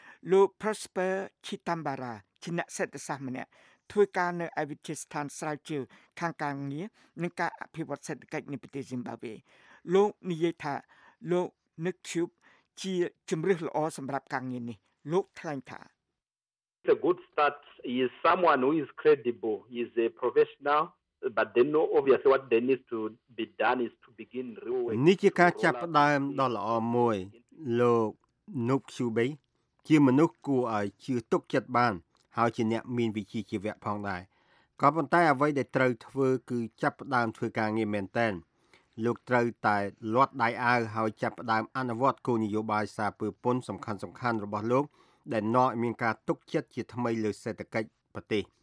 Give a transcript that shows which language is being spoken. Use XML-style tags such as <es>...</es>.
<km>លោក Prosper Chitambara ជាអ្នកសេដ្ឋសាស្ត្រម្នាក់ធ្វើការនៅឯវិទ្យាស្ថានស្រាវជ្រាវខាងការងារនិងការអភិវឌ្ឍសេដ្ឋកិច្ចនៃប្រទេសស៊ីមបាប៊េលោកនិយាយថាលោក Nick Cube ជាជំរើសល្អសម្រាប់ការងារនេះលោកថ្លែងថា</km> <en>a good start is someone who is credible is a professional but they know obviously what they need to be done is to begin real</en> <km>នេះជាការចាប់ផ្ដើមដ៏ល្អមួយលោក Nook Cube ជាមនុស្សគួរឲ្យជឿទុកចិត្តបានហើយជាអ្នកមានវិជ្ជាជីវៈផងដែរក៏ប៉ុន្តែអ្វីដែលត្រូវធ្វើគឺចាប់ផ្ដើមធ្វើការងារមែនទែនលោកត្រូវតែលាត់ដៃអាវហើយចាប់ផ្ដើមអនុវត្តគោលនយោបាយសាពើពន្ធសំខាន់ៗរបស់លោកដែលនាំឲ្យមានការទុកចិត្តជាថ្មីលើសេដ្ឋកិច្ចប្រទេស</km>